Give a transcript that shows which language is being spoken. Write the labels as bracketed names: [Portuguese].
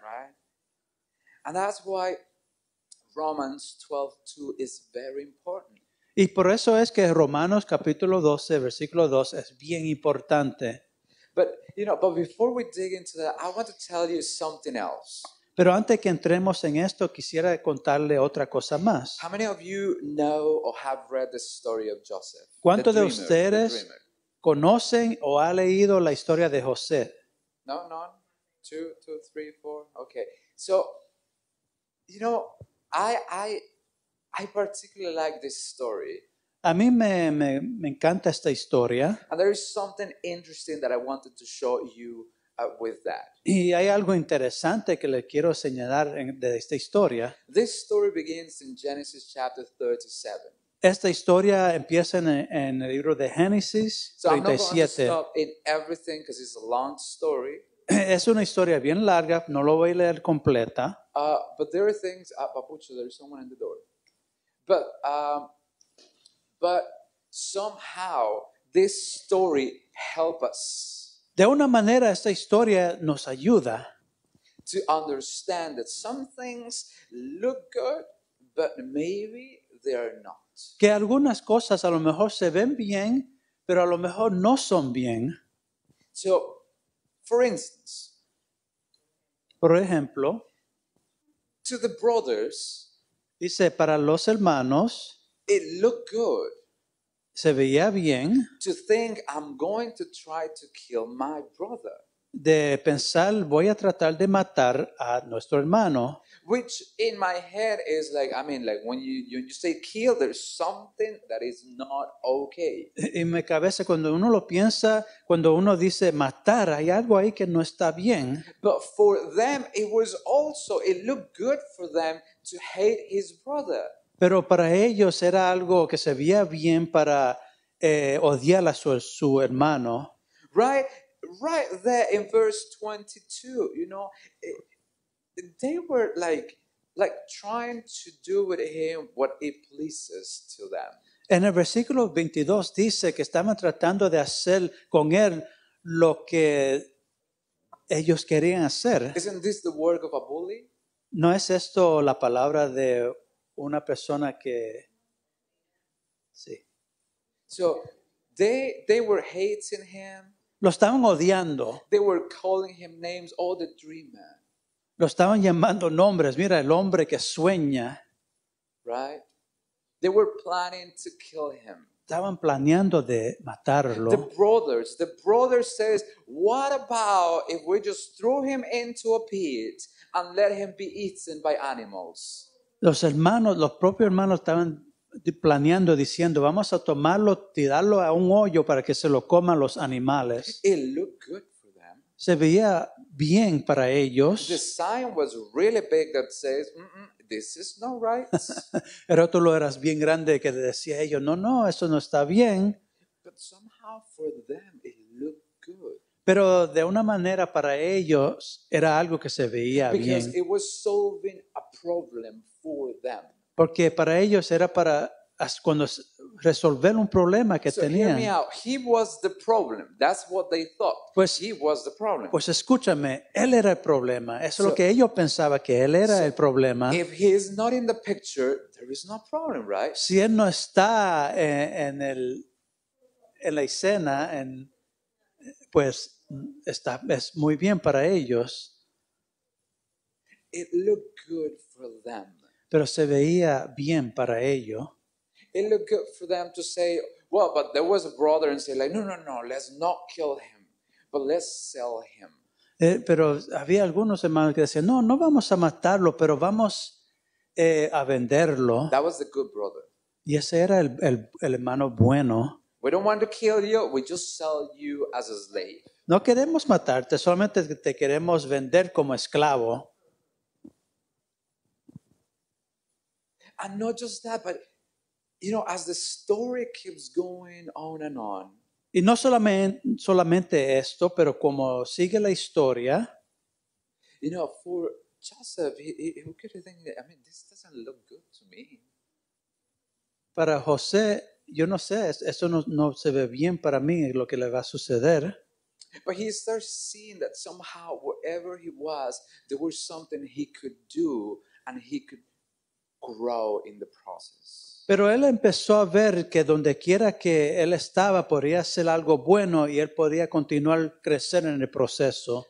[English] Right? And that's why Romans 12:2 is very important. [Spanish] Y por eso es que Romanos capítulo 12, versículo 2 es bien importante. [English] But, you know, but before we dig into that, I want to tell you something else. [Spanish] Pero antes que entremos en esto, quisiera contarle otra cosa más. [English] How many of you know or have read the story of Joseph? [Spanish] ¿Cuántos de ustedes conocen o han leído la historia de José? [English] No, none. Two, three, four. Okay. So, you know, I particularly like this story. [Spanish] A mí me encanta esta historia. [English] And there is something interesting that I wanted to show you. With that. [Spanish] Y hay algo interesante que le quiero señalar de esta historia. [English] This story begins in Genesis chapter 37. [Spanish] Esta historia empieza en el libro de Génesis 37. [English] So I'm not going to stop in everything because it's a long story. [Spanish] Es una historia bien larga, no lo voy a leer completa. [English] But there are things, Papucho, there's someone in the door. But somehow this story helps us. [Spanish] De una manera, esta historia nos ayuda [English] to understand that some things look good, but maybe they are not. [Spanish] Que algunas cosas a lo mejor se ven bien, pero a lo mejor no son bien. [English] So, for instance, [Spanish] por ejemplo, [English] to the brothers, [Spanish] dice, para los hermanos, [English] it looked good. [Spanish] Se veía bien. [English] To think I'm going to try to kill my brother. [Spanish] De pensar voy a tratar de matar a nuestro hermano. [English] Which in my head is like, I mean, like when you say kill, there's something that is not okay. [Spanish] En mi cabeza cuando uno lo piensa, cuando uno dice matar, hay algo ahí que no está bien. [English] But for them, it was also, it looked good for them to hate his brother. [Spanish] Pero para ellos era algo que se veía bien para odiar a su hermano. [English] Right there in verse 22, you know, they were like trying to do with him what it pleases to them. [Spanish] En el versículo 22 dice que estaban tratando de hacer con él lo que ellos querían hacer. [English] Isn't this the work of a bully? [Spanish] ¿No es esto la palabra de una persona que sí? [English] So they were hating him. [Spanish] Lo estaban odiando. [English] They were calling him names, all the dreamer. [Spanish] Lo estaban llamando nombres. Mira, el hombre que sueña. [English] Right? They were planning to kill him. [Spanish] Estaban planeando de matarlo. [English] The brother says, what about if we just threw him into a pit and let him be eaten by animals? [Spanish] Los hermanos, los propios hermanos estaban planeando, diciendo, vamos a tomarlo, tirarlo a un hoyo para que se lo coman los animales. [English] It looked good for them. [Spanish] se veía bien para ellos. [English] The sign was really big that says, this is not right. [Spanish] El rótulo era bien grande que decía a ellos, no, eso no está bien. [English] But somehow for them it looked good. [Spanish] Pero de una manera para ellos era algo que se veía [English] because [Spanish] bien. [English] Because it was solving a problem for them. [Spanish] Porque para ellos era para cuando resolver un problema que [English] so [Spanish] tenían. [English] Hear me out. He was the problem. That's what they thought. [Spanish] Pues, [English] he was the problem. [Spanish] Pues escúchame, él era el problema. Eso es lo que ellos pensaban, que él era el problema. [English] If he is not in the picture, there is no problem, right? [Spanish] Si él no está en la escena, pues es muy bien para ellos. [English] It looked good for them. [Spanish] Pero se veía bien para ellos. [English] It looked good for them to say, well, but there was a brother and say, like, no, let's not kill him, but let's sell him. [Spanish] Pero había algunos hermanos que decían, no vamos a matarlo, pero vamos a venderlo. [English] That was the good brother. [Spanish] Y ese era el hermano bueno. [English] We don't want to kill you, we just sell you as a slave. [Spanish] No queremos matarte, solamente te queremos vender como esclavo. [English] And not just that, but you know, as the story keeps going on and on. [Spanish] Y no solamente esto, pero como sigue la historia. [English] You know, for Joseph, who could have think that, I mean, this doesn't look good to me. [Spanish] Para José, yo no sé, esto no se ve bien para mí, lo que le va a suceder. [English] But he starts seeing that somehow, wherever he was, there was something he could do, and he could grow in the process. [Spanish] Pero él empezó a ver que donde quiera que él estaba podría hacer algo bueno y él podría continuar crecer en el proceso.